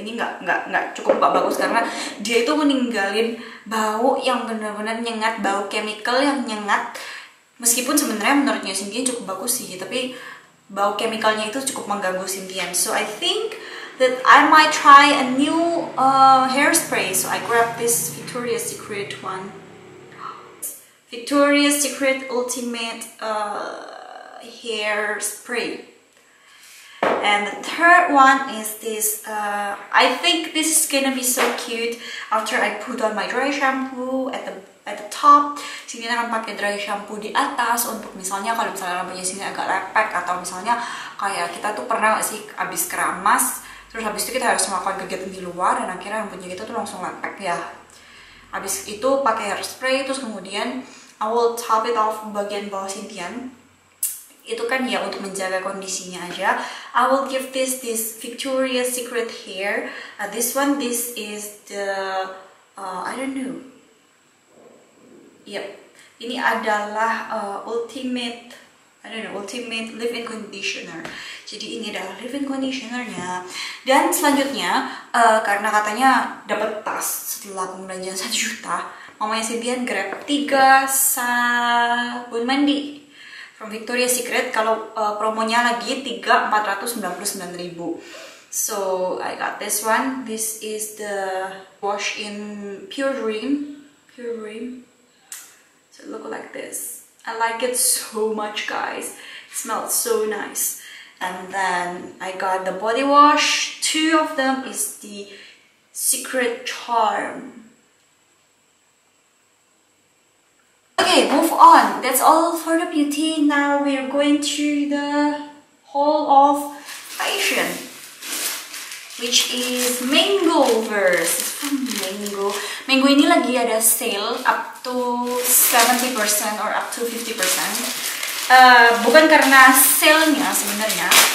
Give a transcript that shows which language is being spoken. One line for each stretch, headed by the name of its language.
Indonesian: Ini nggak cukup nggak bagus karena dia itu meninggalin bau yang benar-benar nyengat, bau chemical yang nyengat. Meskipun sebenarnya menurutnya Cynthia cukup bagus sih, tapi bau chemicalnya itu cukup mengganggu Cynthia.
English: So I think that I might try a new hairspray. So I grab this Victoria's Secret one. Victoria's Secret Ultimate Hairspray. And the third one is this. I think this is gonna be so cute after I put on my dry shampoo at the top.
Indonesian: Sini akan pakai dry shampoo di atas untuk misalnya kalau misalnya rambutnya sini agak lepek atau misalnya kayak kita tuh pernah gak sih abis keramas terus habis itu kita harus melakukan kegiatan di luar dan akhirnya rambutnya kita tuh langsung lepek ya. Abis itu pakai hairspray terus kemudian
English: I will top it off
Indonesian: bagian bawah Cynthian. Itu kan ya untuk menjaga kondisinya aja.
English: I will give this Victoria's Secret hair. This one, this is the I don't know. Yep.
Indonesian: Ini adalah ultimate leave-in conditioner. Jadi ini adalah leave-in conditionernya. Dan selanjutnya karena katanya dapat tas setelah pembelanjaan 1 juta, mamanya Cynthia grab 3 sabun mandi from Victoria's Secret. Kalau promonya lagi 3.499.000.
English: So I got this one. This is the wash in Pure Dream. Pure Dream. So look like this. I like it so much, guys. It smells so nice. And then I got the body wash. Two of them is the Secret Charm. Okay, move on. That's all for the beauty. Now we are going to the hall of fashion, which is Mango verse. Mango.
Indonesian: Mango ini lagi ada sale
English: up to 70% or up to 50%.
Indonesian: Bukan karena sale-nya sebenarnya.